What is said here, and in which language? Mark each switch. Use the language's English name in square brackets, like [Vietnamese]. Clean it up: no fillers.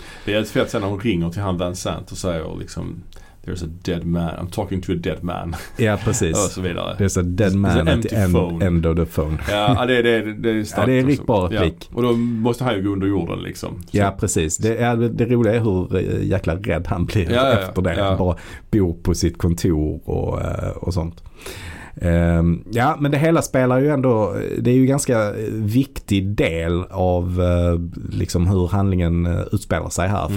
[Swedish] Det är ett fett sen när hon ringer till han Van Sant och säger liksom, [English] there's a dead man. I'm talking to a dead man. [Swedish] Ja, precis. Och så vidare. [English] There's a dead man at the end of the phone. [Swedish] Ja, det är starkt. Ja, det är en riktigt bra replik. Och då måste han ju gå under jorden liksom. Så. Ja, precis. Det roliga är hur jäkla rädd han blir efter det. Ja. Bara bo på sitt kontor och sånt. Ja, men det hela spelar ju ändå, det är ju ganska viktig del av liksom hur handlingen utspelar sig här.